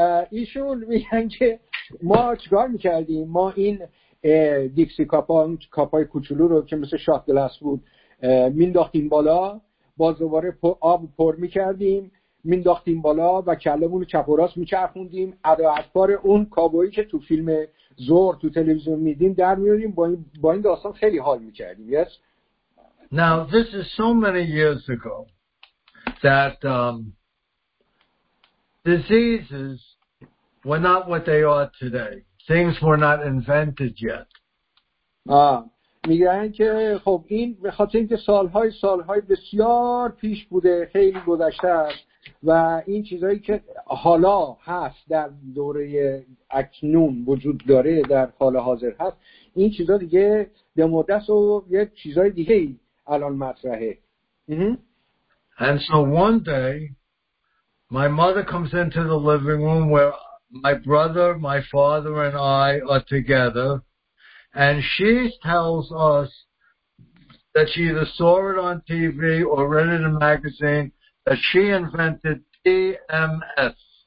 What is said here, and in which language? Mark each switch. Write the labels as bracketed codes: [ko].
[fa] ایشون میگن که ما چیکار میکردیم؟ ما این دیکسی کاپا اون کاپای کوچولو رو که مثل شات گلاس بود مینداختیم بالا، باز دوباره آب پر میکردیم، مینداختیم بالا و کلمون رو چپ و راست میچرخوندیم، ادا از پار اون کابویی که تو فیلم زور تو تلویزیون میدیم در میاریم، با این داستان خیلی حال میکردیم. [en] Yes? Now this is so many years ago that diseases were not what they are today. Things were not invented yet. [fa] میگن که خب این به خاطر اینکه سالهای بسیار پیش بوده، خیلی گذشته است و این چیزایی که حالا هست در دوره اکنون وجود داره در حال حاضر هست، این چیزا دیگه دمودس و یه چیزای دیگه الان مطرحه. [en] And so one day my mother comes into the living room where my brother, my father, and I are together, and she tells us that she either saw it on TV or read it in a magazine that she invented TMS.